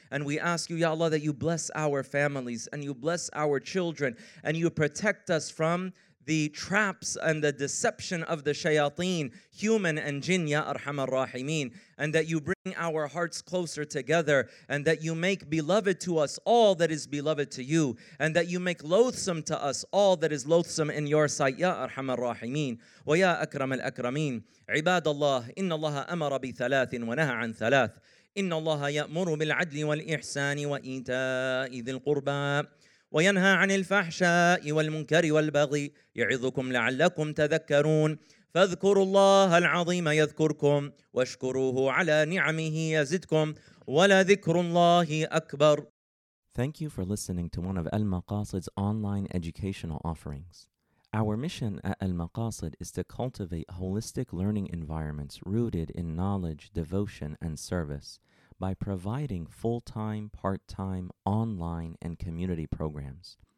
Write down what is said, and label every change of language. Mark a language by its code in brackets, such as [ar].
[en] And we ask you, Ya Allah, that you bless our families and you bless our children and you protect us from the traps and the deception of the shayateen, human and jinn, [ar] Ya Arham al-Rahimeen, [en] and that you bring our hearts closer together, and that you make beloved to us all that is beloved to you, and that you make loathsome to us all that is loathsome in your sight, Ya Arham al-Rahimeen. [ar] Wa Ya Akram al-Akrameen, عباد الله, إن الله أمر بثلاث ونهى عن ثلاث, إن الله يأمر بالعدل والإحسان وإيتاء ذي القربى وينهى عن الفحشاء والمنكر والبغي يعظكم لعلكم تذكرون فاذكروا الله العظيم يذكركم واشكروه على نعمه يزدكم ولذكر الله أكبر. [en] Thank you for listening to one of Al Maqasid's online educational offerings. Our mission at Al Maqasid is to cultivate holistic learning environments rooted in knowledge, devotion, and service by providing full-time, part-time, online, and community programs.